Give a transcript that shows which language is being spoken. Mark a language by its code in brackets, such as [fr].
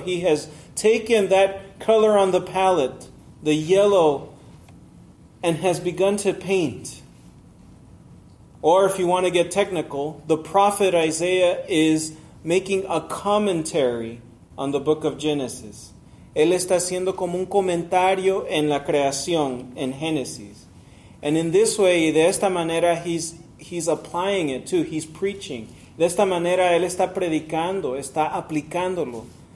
[en] He has taken that color on the palette, the yellow, and has begun to paint. Or if you want to get technical, the prophet Isaiah is making a commentary on the book of Genesis. [es] Él está haciendo como un comentario en la creación, en Génesis. [en] And in this way, [es] de esta manera, [en] he's applying it too. He's preaching. [es] De esta manera, él está predicando, está aplicándolo.